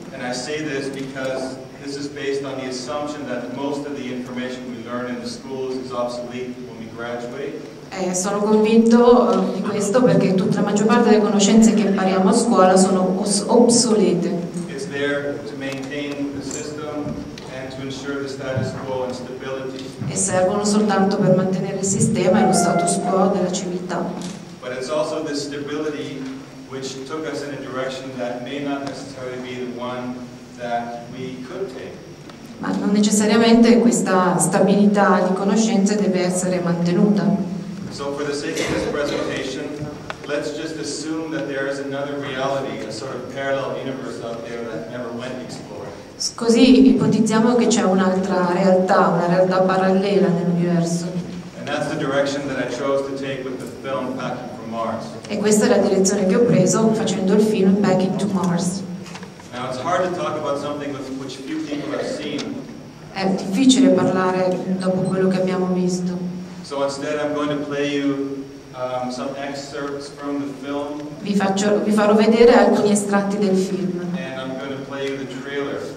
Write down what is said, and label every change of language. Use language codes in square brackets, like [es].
[en] And I say this because this is based on the assumption that most of the information we learn in the schools is obsolete when we graduate. [it] Sono convinto di questo perché tutta la maggior parte delle conoscenze che impariamo a scuola sono obsolete. [en] It's there to maintain the system and to ensure the status quo and stability. [it] E servono soltanto per mantenere il sistema e lo status quo della civiltà. [en] But it's also the stability which took us in a direction that may not necessarily be the one that we could take. [it] Ma non necessariamente questa stabilità di conoscenze deve essere mantenuta. [en] So for the sake of this presentation, let's just assume that there is another reality, a sort of parallel universe out there that never went explored. [it] Così ipotizziamo che c'è un'altra realtà, una realtà parallela nell'universo. [en] And that's the direction that I chose to take with the film Packing for Mars. [it] E questa è la direzione che ho preso facendo il film Packing to Mars. [en] Now it's hard to talk about something with which few people have seen. [it] È difficile parlare dopo quello che abbiamo visto. [en] So instead I'm going to play you some excerpts from the film. [it] Vi farò vedere alcuni estratti del film. [en] And I'm going to play you the trailer.